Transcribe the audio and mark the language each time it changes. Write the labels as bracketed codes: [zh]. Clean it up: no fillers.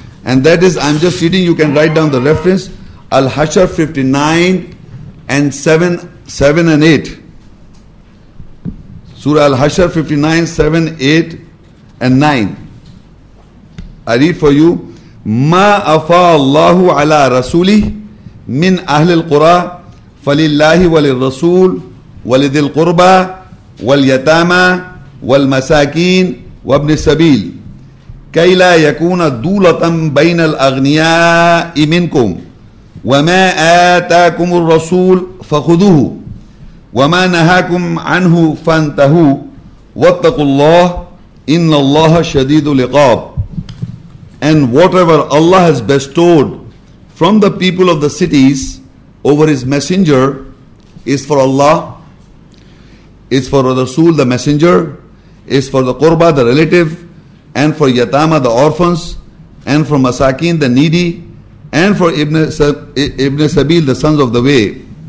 [en] And that is, I'm just reading, you can write down the reference. Al-Hashr 59 and 7 and 8. Surah Al-Hashr 59, 7, 8 and 9. I read for you. [ar] مَا أَفَاءَ اللَّهُ عَلَىٰ رَسُولِهِ مِنْ أَهْلِ الْقُرَىٰ فَلِلَّهِ وَلِلْرَسُولِ وَلِذِي الْقُرْبَىٰ وَالْيَتَامَىٰ والمساكين وابن السبيل كي لا يكون دولة بين الأغنياء منكم وما آتاكم الرسول فخذوه وما نهاكم عنه فانتهوا واتقوا الله إن الله شديد العقاب. [en] And whatever Allah has bestowed from the people of the cities over His Messenger is for Allah, is for the Rasul, the Messenger, is for the Qurba, the relative, and for Yatama, the orphans, and for Masakin, the needy, and for Ibn Sabil, the sons of the way.